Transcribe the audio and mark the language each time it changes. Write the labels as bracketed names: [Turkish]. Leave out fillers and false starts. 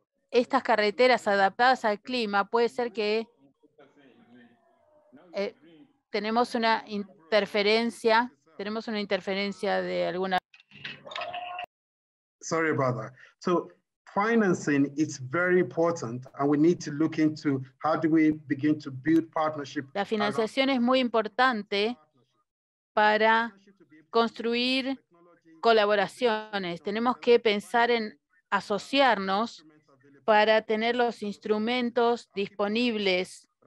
[Spanish] Estas carreteras adaptadas al clima, puede ser que tenemos una interferencia de alguna. [English] Sorry about that. So financing is very important and we need to look into how do we begin to build partnership. [Spanish] La financiación es muy importante para construir colaboraciones. Tenemos que pensar en asociarnos para tener los instrumentos disponibles.